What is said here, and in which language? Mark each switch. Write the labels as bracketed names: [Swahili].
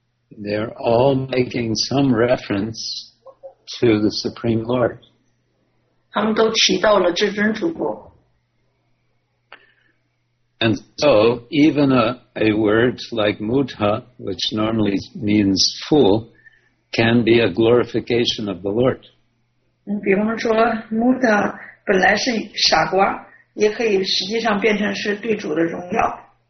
[English] They're all making some reference to the Supreme Lord. [Chinese] 他们都提到了至尊主播。 [English] And so, even a word like mutha, which normally means fool, can be a glorification of the Lord. [Chinese] 比方说 mutha 本来是傻瓜，也可以实际上变成是对主的荣耀。